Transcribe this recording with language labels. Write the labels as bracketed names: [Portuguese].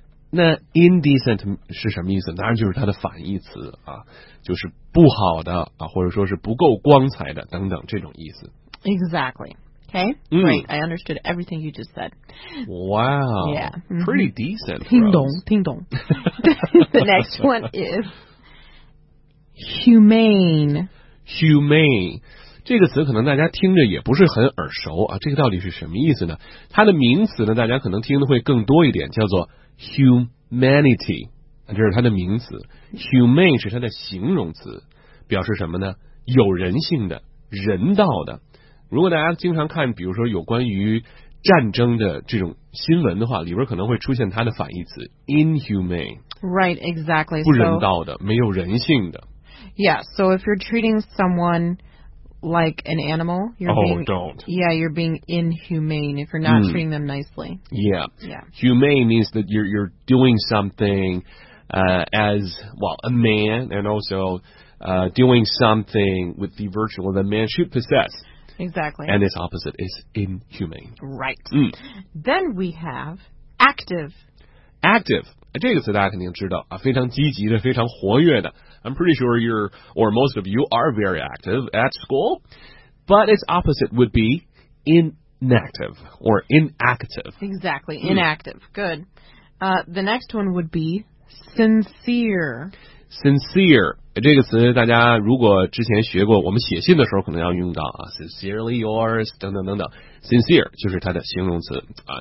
[Chinese] 那 indecent 是什么意思当然就是它的反义词、啊、就是不好的、啊、或者说是不够光彩的等等这种意思 [English] Exactly. Okay, great.、Mm. I understood everything you just said. Wow. Yeah.、 Mm-hmm. Pretty decent. [Chinese] 听懂听懂 [English] The next one is humane. Humane. [Chinese] 这个词可能大家听着也不是很耳熟啊。这个到底是什么意思呢？它的名词呢，大家可能听的会更多一点，叫做 humanity. 这是它的名词。 Humane 是它的形容词，表示什么呢？有人性的，人道的。如果大家经常看比如说有关于战争的这种新闻的话里边可能会出现它的反义词 inhumane [English] right exactly [Chinese] 不人道的 so, 没有人性的 [English] yeah so if you're treating someone like an animal you're oh being, don't yeah you're being inhumane if you're not、mm. treating them nicely yeah yeah humane means that you're doing something、as well a man and also、doing something with the virtue that a man should possess Exactly. And its opposite is inhumane. Right.、 Mm. Then we have active. Active. [Chinese] 这个词大家肯定知道、啊、非常积极的非常活跃的。 [English] I'm pretty sure you're, or most of you are very active at school. But its opposite would be inactive or inactive. Exactly. Inactive.、Mm. Good.、the next one would be sincere. [Chinese] Sincere 这个词大家如果之前学过我们写信的时候可能要用到啊 Sincerely yours 等等等等 Sincere 就是它的形容词啊。